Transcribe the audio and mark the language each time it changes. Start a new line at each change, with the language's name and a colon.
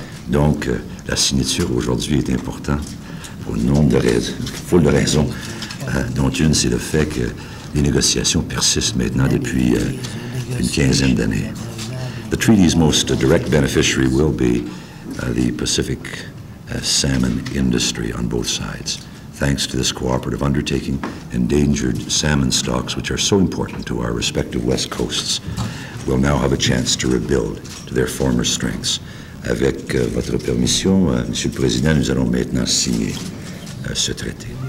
French: Donc, la signature aujourd'hui est importante pour nombre de raisons. Pour de raisons. Dont une, c'est le fait que les négociations persistent maintenant depuis une quinzaine d'années.
English: The treaty's most direct beneficiary will be the Pacific salmon industry on both sides. Thanks to this cooperative undertaking, endangered salmon stocks, which are so important to our respective West Coasts, will now have a chance to rebuild to their former strengths.
French: Avec votre permission, Monsieur le Président, nous allons maintenant signer ce traité.